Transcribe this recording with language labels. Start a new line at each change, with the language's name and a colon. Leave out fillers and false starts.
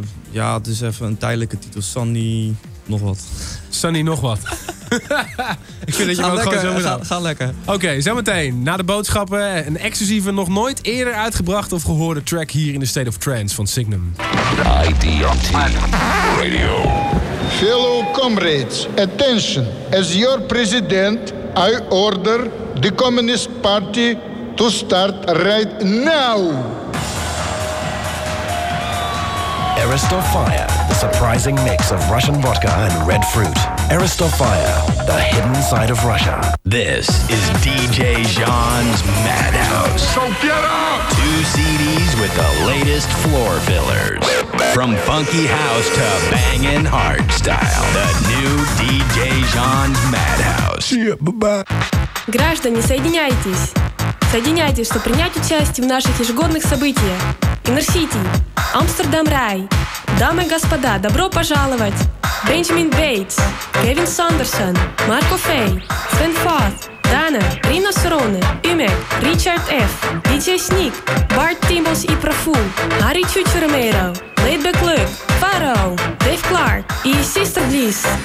Dutch: Ja, het is even een tijdelijke titel. Sunny nog wat. Sunny nog wat. Ik vind dat je ook gewoon zo moet gaan. Ga lekker. Oké, zometeen. Na de boodschappen, een exclusieve, nog nooit eerder uitgebracht of gehoorde track hier in de State of Trance van Signum.
English: IDMT Radio. Fellow comrades, attention. As your president, I order the Communist Party to start right now. Aristov Fire, the surprising mix of Russian vodka and red fruit. Aristov Fire, the hidden side of Russia. This is DJ Jean's Madhouse. So get up! Two CDs with the latest floor fillers. From funky house to banging hard style. The new DJ Jean's Madhouse. Yeah, bye-bye.
Russian: Граждане, соединяйтесь. Соединяйтесь, чтобы принять участие в наших ежегодных событиях.
English: Inner-City, Amsterdam Rai.
Russian: Дамы и господа, добро пожаловать! Бенджамин Бейтс, Кевин Сандерсон, Марко Фей, Свен Фат, Дана, Рина Сороне, Пимек, Ричард Ф, Диджей Сник, Барт Тимблс и Профул, Ари Чучу Ромейро, Лейтбек Лук, Фарроу, Дэйв Кларк и Систер Лис.